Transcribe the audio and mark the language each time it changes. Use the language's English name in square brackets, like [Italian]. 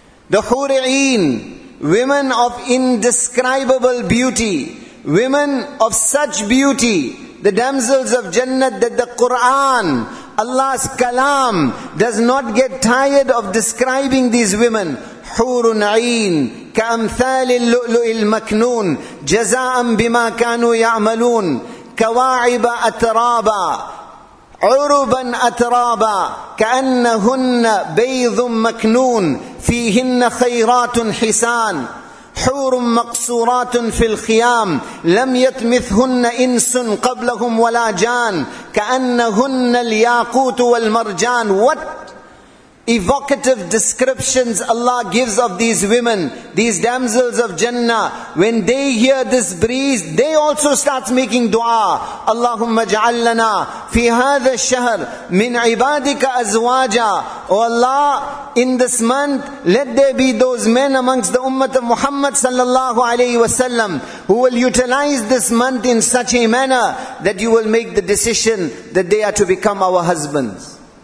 [English] The Hura'een, women of indescribable beauty, women of such beauty, the damsels of Jannah, that the Quran, Allah's kalam, does not get tired of describing these women. [Arabic] Hurun Ain, كَأَمْثَالِ اللُّؤْلُؤِ الْمَكْنُونِ جَزَاءً بِمَا كَانُوا يَعْمَلُونَ كَوَاعِبَ أَتْرَابًا عُرُبًا أَتْرَابًا كَأَنَّهُنَّ بَيْضٌ مَكْنُونَ فِيهِنَّ خَيْرَاتٌ حِسَانٌ حُورٌ مَقْصُورَاتٌ فِي الْخِيَامِ لَمْ يَطْمِثْهُنَّ إِنْسٌ قَبْلَهُمْ وَلَا جَانٌ كَأَنَّهُنَّ الْيَاقُوتُ وَالْمَرْجَانُ [English] What evocative descriptions Allah gives of these women, these damsels of Jannah. When they hear this breeze, they also start making dua. [Arabic] Allahumma ja'al lana fi hadha shahr min ibadika azwaja. [English] O Allah, in this month, let there be those men amongst the ummah of Muhammad sallallahu alayhi wa sallam who will utilize this month in such a manner that you will make the decision that they are to become our husbands.